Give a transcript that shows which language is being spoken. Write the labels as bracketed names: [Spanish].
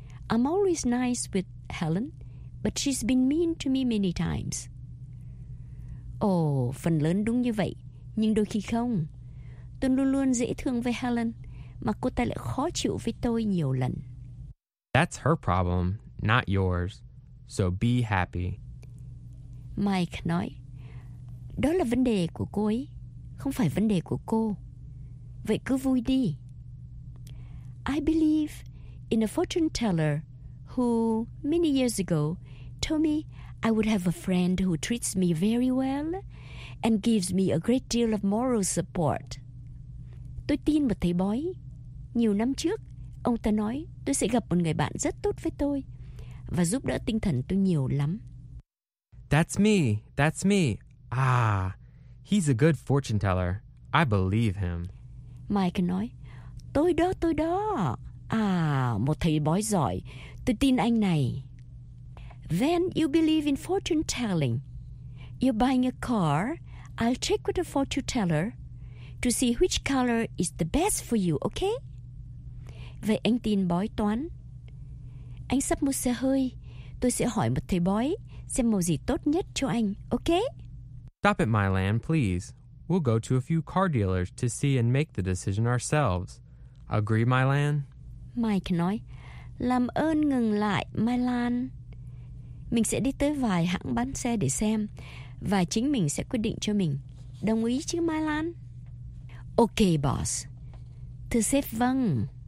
[English] I'm always nice with Helen, but she's been mean to me many times. [Vietnamese] Oh, phần lớn đúng như vậy, nhưng đôi khi không. Tôi luôn luôn dễ thương với Helen, mà cô ta lại khó chịu với tôi nhiều lần. [English] That's her problem, not yours. So be happy. [Vietnamese] Mike nói, đó là vấn đề của cô ấy, không phải vấn đề của cô. Vậy cứ vui đi. [English] I believe in a fortune teller who, many years ago, told me I would have a friend who treats me very well and gives me a great deal of moral support. [Vietnamese] Tôi tin một thầy bói. Nhiều năm trước, ông ta nói tôi sẽ gặp một người bạn rất tốt với tôi và giúp đỡ tinh thần tôi nhiều lắm. [English] That's me. Ah, he's a good fortune teller. I believe him. [Vietnamese] Mike nói, Tôi đó. À, một thầy bói giỏi. Tôi tin anh này. [English] Then you believe in fortune telling. You're buying a car. I'll check with a fortune teller to see which color is the best for you, okay? [Vietnamese] Vậy anh tin bói toán. Anh sắp mua xe hơi. Tôi sẽ hỏi một thầy bói xem màu gì tốt nhất cho anh, okay? [English] Stop at my land, please. We'll go to a few car dealers to see and make the decision ourselves. Agree, Mylan? [Vietnamese] Mike nói, làm ơn ngừng lại, Mylan. Mình sẽ đi tới vài hãng bán xe để xem, và chính mình sẽ quyết định cho mình. Đồng ý chứ, Mylan? [English] Okay, boss. [Vietnamese] Thưa sếp, vâng.